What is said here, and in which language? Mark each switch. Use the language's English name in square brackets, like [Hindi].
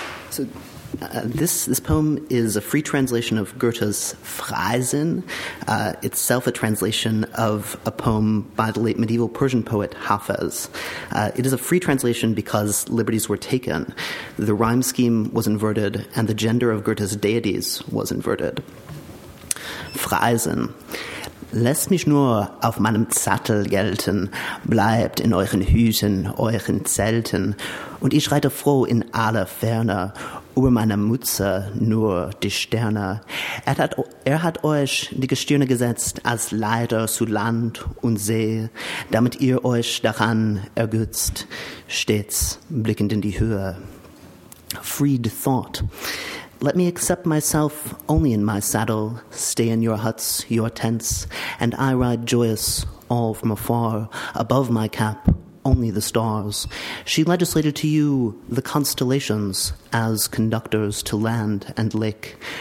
[English] So this poem is a free translation of Goethe's Freisinn, itself a translation of a poem by the late medieval Persian poet Hafez. It is a free translation because liberties were taken. The rhyme scheme was inverted, and the gender of Goethe's deities was inverted. [German] Freisinn. Lass mich nur auf meinem Sattel gelten, bleibt in euren Hüten, euren Zelten, und ich reite froh in aller Ferne, über meiner Mütze nur die Sterne. Er hat euch die Gestirne gesetzt als Leiter zu Land und See, damit ihr euch daran ergötzt, stets blickend in die Höhe. [English] Freed thought. Let me accept myself only in my saddle, stay in your huts, your tents, and I ride joyous all from afar, above my cap, only the stars. She legislated to you the constellations as conductors to land and lake.